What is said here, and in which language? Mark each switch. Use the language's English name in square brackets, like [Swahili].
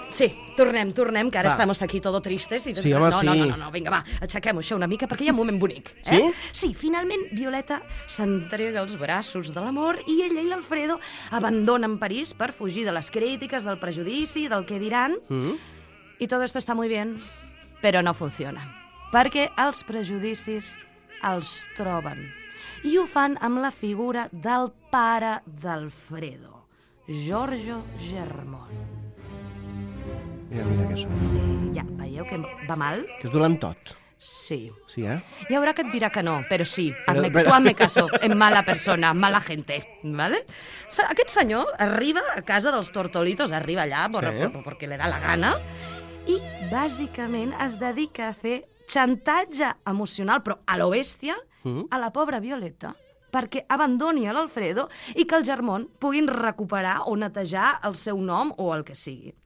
[Catalan] Sí, tornem, que ara estem aquí [Spanish] todo [Catalan] tristes. I sí, home, sí. No, vinga, va, aixequem-ho això una mica, perquè hi ha un moment bonic. Sí? Eh? Sí, finalment Violeta s'entrega als braços de l'amor i ella i l'Alfredo abandonen París per fugir de les crítiques, del prejudici, del que diran. I tot [Spanish] esto está muy bien, [Catalan] però no funciona. Perquè els prejudicis els troben. I ho fan amb la figura del pare d'Alfredo. Giorgio Germont. Mira que sona. Sí, ja, veieu que va mal? Que és dolent tot. Sí. Sí, eh? Hi haurà que et dirà que no, però sí. [Spanish] Tu hazme caso, en mala persona, mala gente, ¿vale? [Catalan] Aquest senyor arriba a casa dels Tortolitos, arriba allà, perquè li [Spanish] da la gana, [Catalan] i bàsicament es dedica a fer xantatge emocional, però a lo bèstia, a la pobra Violeta, perquè abandoni a l'Alfredo i que el Germont puguin recuperar o netejar el seu nom o el que sigui.